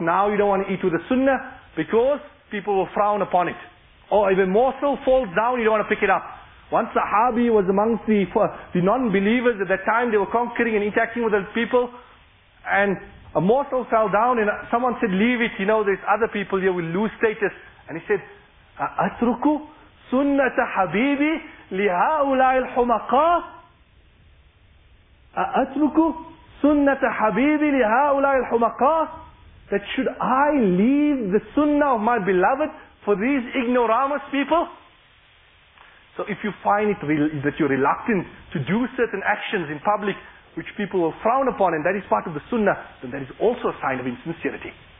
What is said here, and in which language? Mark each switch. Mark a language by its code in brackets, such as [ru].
[en] Now you don't want to eat with the sunnah because people will frown upon it. Or if a morsel falls down, you don't want to pick it up. One sahabi was amongst the non-believers at that time. They were conquering and interacting with the people, and a morsel fell down, and someone said, leave it, you know, there's other people here, we'll lose status. And he said, [ar] أَتْرُكُ سُنَّةَ حَبِيبِي لِهَا أُولَى الْحُمَقَى أَتْرُكُ sunnah habibi li haulai al-humaqa? [en] That should I leave the sunnah of my beloved for these ignoramus people? So if you find it that you're reluctant to do certain actions in public which people will frown upon, and that is part of the sunnah, then that is also a sign of insincerity.